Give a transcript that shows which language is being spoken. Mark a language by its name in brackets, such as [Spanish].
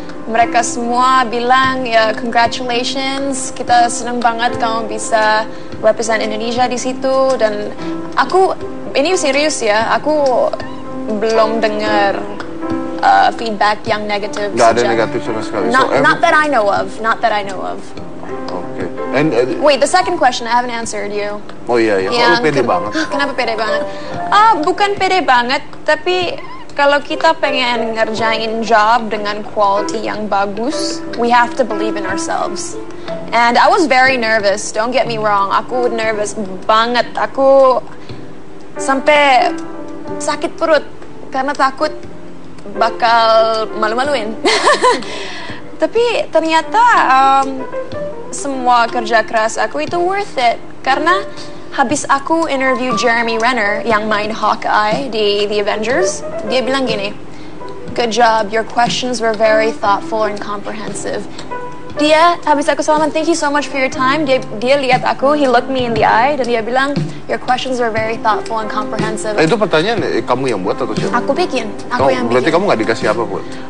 [Indonesian] Mereka semua bilang, ya, congratulations, kita senang banget kamu bisa represent Indonesia di situ. Dan aku, ini serius ya, aku belum dengar feedback yang negatif. Gak ada negatif sama sekali. [English] Not that I know of. Okay. And, wait, the second question, I haven't answered you. [Indonesian] Oh iya, iya. Kok lu pede banget? Kenapa pede banget? Bukan pede banget, tapi... Kalau kita pengen ngerjain job dengan quality yang bagus, [English] we have to believe in ourselves. And I was very nervous, don't get me wrong. [Indonesian] Aku nervous banget. Aku sampai sakit perut karena takut bakal malu-maluin. Tapi ternyata semua kerja keras aku itu worth it. Karena habis aku interview Jeremy Renner yang main Hawkeye di The Avengers, dia bilang gini, [English] good job, your questions were very thoughtful and comprehensive. [Indonesian] Dia, habis aku salaman, [English] thank you so much for your time, [Indonesian] dia lihat aku, [English] he looked me in the eye, [Indonesian] dan dia bilang, [English] your questions were very thoughtful and comprehensive. [Indonesian] Itu pertanyaan kamu yang buat atau siapa? Aku yang bikin. Berarti kamu gak dikasih apa buat?